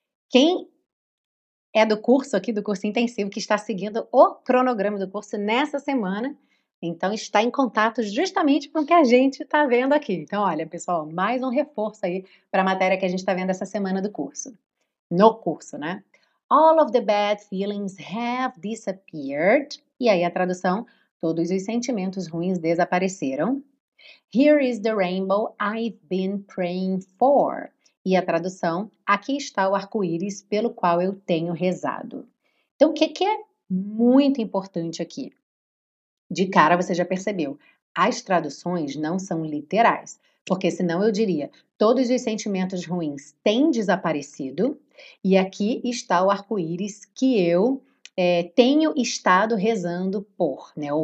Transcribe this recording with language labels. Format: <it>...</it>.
<pt>Quem é do curso aqui, do curso intensivo, que está seguindo o cronograma do curso nessa semana, então está em contato justamente com o que a gente está vendo aqui. Então, olha, pessoal, mais um reforço aí para a matéria que a gente está vendo essa semana do curso. No curso, né?</pt> <en>All of the bad feelings have disappeared.</en> <pt>E aí a tradução, todos os sentimentos ruins desapareceram.</pt> <en>Here is the rainbow I've been praying for.</en> <pt>E a tradução, aqui está o arco-íris pelo qual eu tenho rezado. Então, o que é muito importante aqui? De cara você já percebeu, as traduções não são literais. Porque senão eu diria, todos os sentimentos ruins têm desaparecido e aqui está o arco-íris que eu tenho estado rezando por, né?</pt>